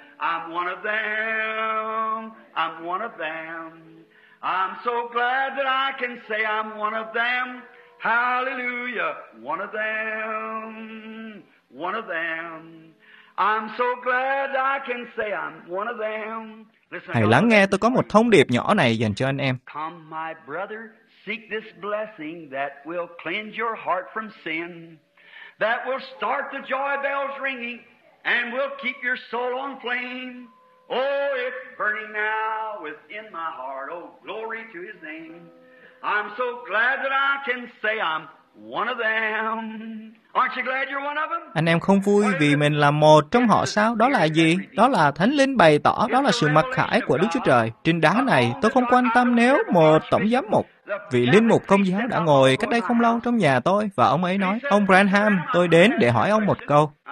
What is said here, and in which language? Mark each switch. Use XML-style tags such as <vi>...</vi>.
<en>I'm one of them. I'm one of them. I'm so glad that I can say I'm one of them. Hallelujah. One of them. One of them. I'm so glad I can say I'm one of them.</en> <vi>Listen, hãy lắng nghe, tôi có một thông điệp nhỏ này dành cho anh em.</vi> <en>Come, my brother, seek this blessing that will cleanse your heart from sin, that will start the joy bells ringing, and will keep your soul on flame. Oh, it's burning now within my heart. Oh, glory to his name. I'm so glad that I can say I'm one of them. Aren't you glad you're one of them?</en> <vi>Anh em không vui vì mình là một trong họ sao? Đó là gì? Đó là Thánh Linh bày tỏ, đó là sự mặc khải của Đức Chúa Trời. Trên đá này, tôi không quan tâm nếu một tổng giám mục, vị linh mục công giáo đã ngồi cách đây không lâu trong nhà tôi, và ông ấy nói, ông Branham, tôi đến để hỏi ông một câu.</vi>